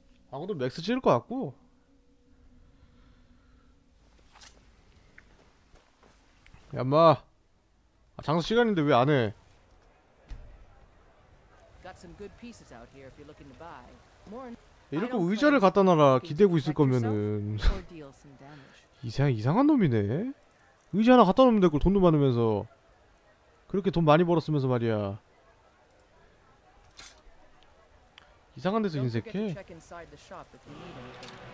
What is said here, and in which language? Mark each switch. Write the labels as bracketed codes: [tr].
[ko] 광도 맥스 찍을 것 같고. 야, 엄마. 아, 장사 시간인데 왜안 해? [en] Got some good pieces out here if you're looking to buy. More. [ko] 이렇게 의자를 갖다 놔라. 기대고 있을 거면은 이상한 놈이네. 의자 하나 갖다 놓으면 될걸 돈도 많으면서 그렇게 돈 많이 벌었으면서 말이야. 이상한 데서 [en] Don't forget to [ko] 인색해. [en] check inside the shop if you need anything.